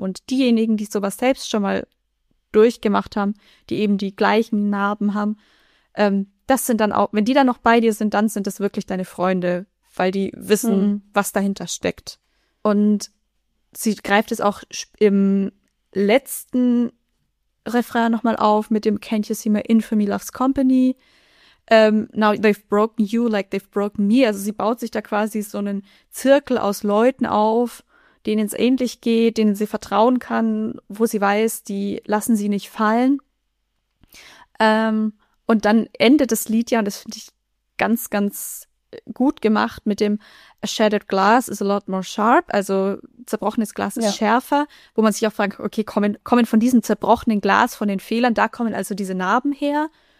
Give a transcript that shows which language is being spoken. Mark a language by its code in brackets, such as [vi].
[de] Und diejenigen, die sowas selbst schon mal durchgemacht haben, die eben die gleichen Narben haben, das sind dann auch, wenn die dann noch bei dir sind, dann sind das wirklich deine Freunde, weil die wissen, was dahinter steckt. Und sie greift es auch im letzten Refrain nochmal auf mit dem [en] Can't you see my infamy loves company? Now they've broken you like they've broken me. [de] Also sie baut sich da quasi so einen Zirkel aus Leuten auf, denen es ähnlich geht, denen sie vertrauen kann, wo sie weiß, die lassen sie nicht fallen. Und dann endet das Lied ja, und das finde ich ganz, ganz gut gemacht mit dem [en] A shattered glass is a lot more sharp, [de] also zerbrochenes Glas ist schärfer, wo man sich auch fragt, okay, kommen von diesem zerbrochenen Glas, von den Fehlern, da kommen also diese Narben her.